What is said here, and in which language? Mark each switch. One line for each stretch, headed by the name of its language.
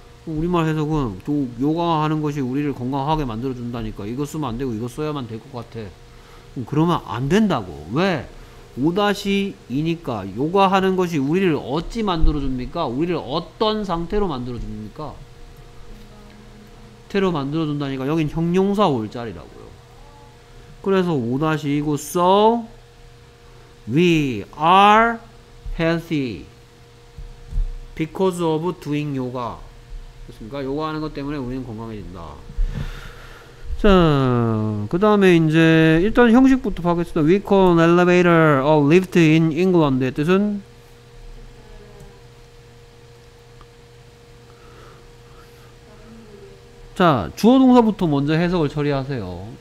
Korean: 우리말 해석은 또 요가하는 것이 우리를 건강하게 만들어준다니까 이거 쓰면 안 되고 이거 써야만 될 것 같아. 그러면 안 된다고. 왜? 5-2니까 요가하는 것이 우리를 어찌 만들어줍니까? 우리를 어떤 상태로 만들어줍니까? 태로 만들어준다니까 여긴 형용사 올 자리라고요. 그래서 5-2고
English: so we are healthy because of doing yoga.
Korean: 그렇습니까? 요가하는 것 때문에 우리는 건강해진다. 자, 그 다음에 이제 일단 형식부터 보겠습니다.
English: We call an elevator a lift in England의
Korean: 뜻은 자, 주어동사부터 먼저 해석을 처리하세요.